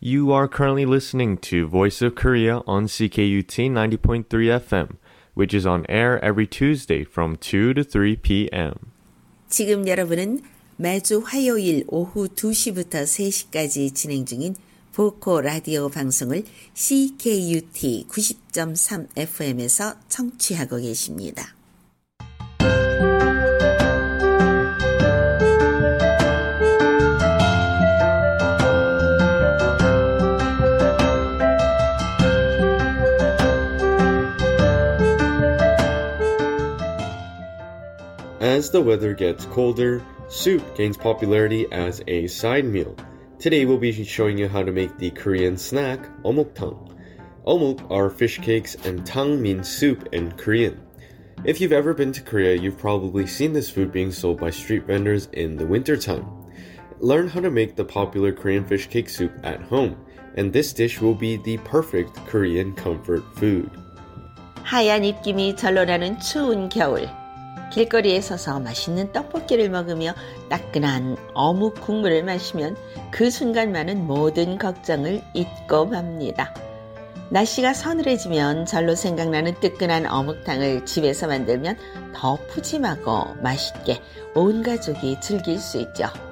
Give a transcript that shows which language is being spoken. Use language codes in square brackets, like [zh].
[en] are currently listening to Voice of Korea on CKUT 90.3 FM, which is on air every Tuesday from 2 to 3 p.m. [ko] 지금 여러분은 매주 화요일 오후 2시부터 3시까지 진행 중인 보코 라디오 방송을 CKUT 90.3 FM에서 청취하고 계십니다. [en] As the weather gets colder, soup gains popularity as a side meal. Today we'll be showing you how to make the Korean snack, omuk-tang. Omuk are fish cakes and tang means soup in Korean. If you've ever been to Korea, you've probably seen this food being sold by street vendors in the wintertime. Learn how to make the popular Korean fish cake soup at home, and this dish will be the perfect Korean comfort food. [ko] 하얀 입김이 절로라는 추운 겨울. 길거리에 서서 맛있는 떡볶이를 먹으며 따끈한 어묵 국물을 마시면 그 순간만은 모든 걱정을 잊고 맙니다. 날씨가 서늘해지면 절로 생각나는 뜨끈한 어묵탕을 집에서 만들면 더 푸짐하고 맛있게 온 가족이 즐길 수 있죠.